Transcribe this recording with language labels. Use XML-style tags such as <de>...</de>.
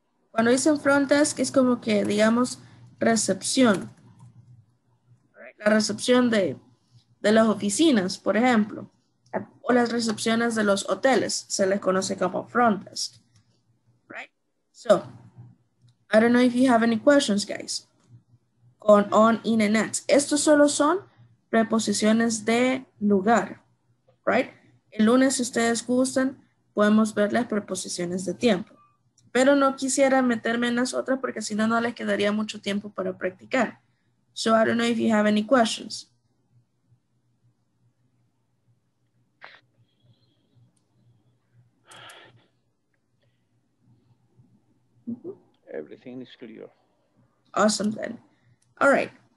<es>Cuando dicen front desk es como que digamos recepción. La recepción de las oficinas, por ejemplo, o las recepciones de los hoteles, se les conoce como front desk, right?</es> <en>So, I don't know if you have any questions, guys, con on, in, and at.</en> <es>Estos solo son preposiciones de lugar, right? El lunes, si ustedes gustan, podemos ver las preposiciones de tiempo. Pero no quisiera meterme en las otras porque si no, no les quedaría mucho tiempo para practicar.</es> <en>So I don't know if you have any questions. Everything is clear. Awesome then. All right.</en>